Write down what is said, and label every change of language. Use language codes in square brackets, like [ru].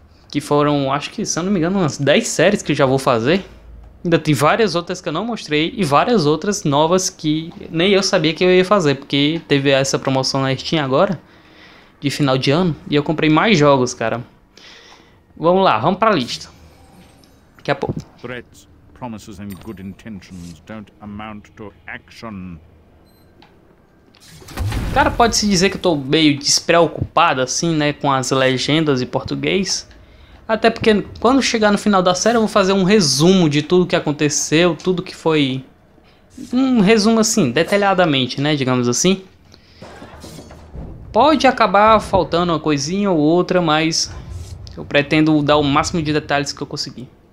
[pt] Que foram, acho que, se eu não me engano, umas 10 séries que eu já vou fazer. Ainda tem várias outras que eu não mostrei e várias outras novas que nem eu sabia que eu ia fazer. Porque teve essa promoção na Steam agora, de final de ano, e eu comprei mais jogos, cara. Vamos lá, vamos pra lista. Daqui a pouco. [en] Threats, promises and good intentions don't amount to action. [pt] Cara, pode-se dizer que eu tô meio despreocupado assim, né, com as legendas em português. Até porque quando chegar no final da série eu vou fazer um resumo de tudo que aconteceu, tudo que foi... Um resumo assim, detalhadamente, né, digamos assim. Pode acabar faltando uma coisinha ou outra, mas eu pretendo dar o máximo de detalhes que eu conseguir.